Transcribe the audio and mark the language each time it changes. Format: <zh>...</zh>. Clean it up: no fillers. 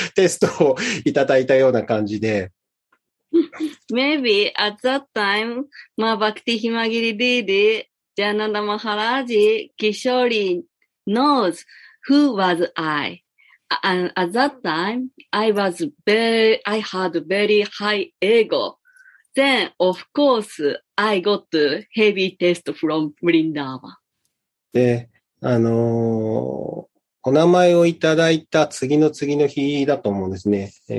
<ja>テストをいただいたような感じで。</ja> <en>Maybe at that time, my Bhakti Himagiri Didi, Jayananda Maharaj, Kishori knows who was I. And at that time, I had very high ego. Then, of course, I got heavy test from Vrindavan.</en> <ja>で、お名前をいただいた次の日だと思うんですね。</ja>